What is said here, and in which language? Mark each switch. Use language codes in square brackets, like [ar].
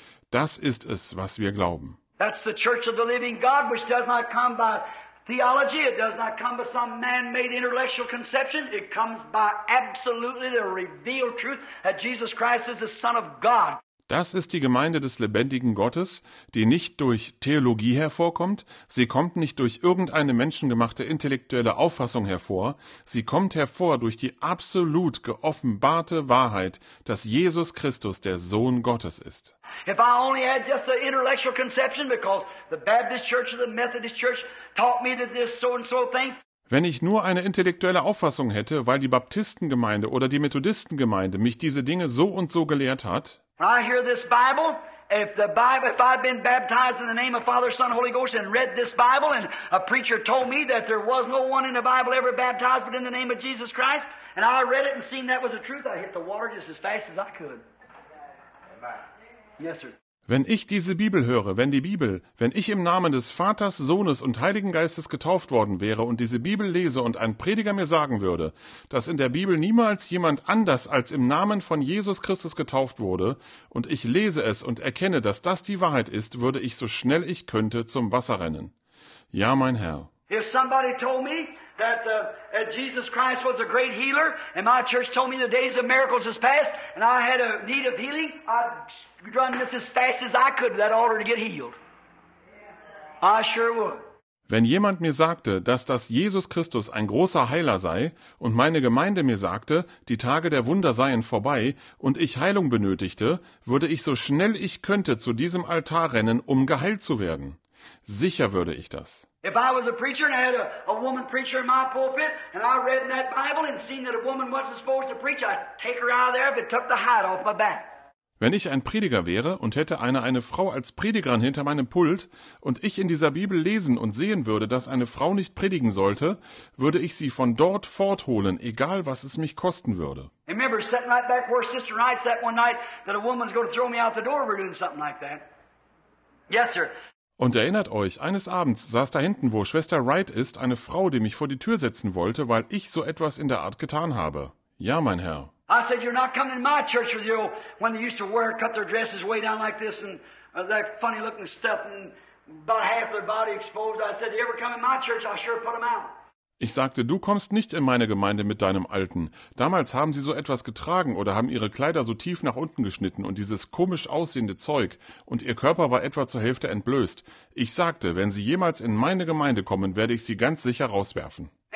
[de] Das ist es, was wir glauben. [en] That's the church of the living God, which does not come by theology, it does not come by some man-made intellectual conception, it comes by absolutely the revealed truth that Jesus Christ is the Son of God. [de] Das ist die Gemeinde des lebendigen Gottes, die nicht durch Theologie hervorkommt, sie kommt nicht durch irgendeine menschengemachte intellektuelle Auffassung hervor, sie kommt hervor durch die absolut geoffenbarte Wahrheit, dass Jesus Christus der Sohn Gottes ist. [en] If I only had just an intellectual conception, because the Baptist Church or the Methodist Church taught me that there's so and so things. [de] Wenn ich nur eine intellektuelle Auffassung hätte, weil die Baptistengemeinde oder die Methodistengemeinde mich diese Dinge so und so gelehrt hat. [en] I hear this Bible, if I've been baptized in the name of Father, Son, Holy Ghost and read this Bible and a preacher told me that there was no one in the Bible ever baptized but in the name of Jesus Christ and I read it and seen that was the truth, I hit the water just as fast as I could. Amen. Yes, sir. [de] Wenn ich diese Bibel höre, wenn die Bibel, wenn ich im Namen des Vaters, Sohnes und Heiligen Geistes getauft worden wäre und diese Bibel lese und ein Prediger mir sagen würde, dass in der Bibel niemals jemand anders als im Namen von Jesus Christus getauft wurde und ich lese es und erkenne, dass das die Wahrheit ist, würde ich so schnell ich könnte zum Wasser rennen. Ja, mein Herr. [en] If somebody told me that Jesus Christ was a great healer and my church told me the days of miracles is past and I had a need of healing, I'd run just as fast as I could to that altar to get healed. I sure would. [de] Wenn jemand mir sagte, dass das Jesus Christus ein großer Heiler sei und meine Gemeinde mir sagte, die Tage der Wunder seien vorbei und ich Heilung benötigte, würde ich so schnell ich könnte zu diesem Altar rennen, um geheilt zu werden. Sicher würde ich das. [en] If I was a preacher and I had a woman preacher in my pulpit and I read in that Bible and seen that a woman wasn't supposed to preach, I'd take her out of there if it took the hide off my back. [de] Wenn ich ein Prediger wäre und hätte eine Frau als Predigerin hinter meinem Pult und ich in dieser Bibel lesen und sehen würde, dass eine Frau nicht predigen sollte, würde ich sie von dort fortholen, egal was es mich kosten würde. [en] I remember sitting right back where Sister Knight sat one night that a woman's going to throw me out the door if we're doing something like that. Yes, sir. [de] Und erinnert euch, eines Abends saß da hinten, wo Schwester Wright ist, eine Frau, die mich vor die Tür setzen wollte, weil ich so etwas in der Art getan habe. Ja, mein Herr. [en] I said, you're not coming to my church with you, when they used to wear, cut their dresses way down like this, and that funny looking stuff, and about half their body exposed. I said, you ever come in my church, I'll sure put them out. [de] Ich sagte, du kommst nicht in meine Gemeinde mit deinem Alten. Damals haben sie so etwas getragen oder haben ihre Kleider so tief nach unten geschnitten und dieses komisch aussehende Zeug und ihr Körper war etwa zur Hälfte entblößt. Ich sagte, wenn sie jemals in meine Gemeinde kommen, werde ich sie ganz sicher rauswerfen.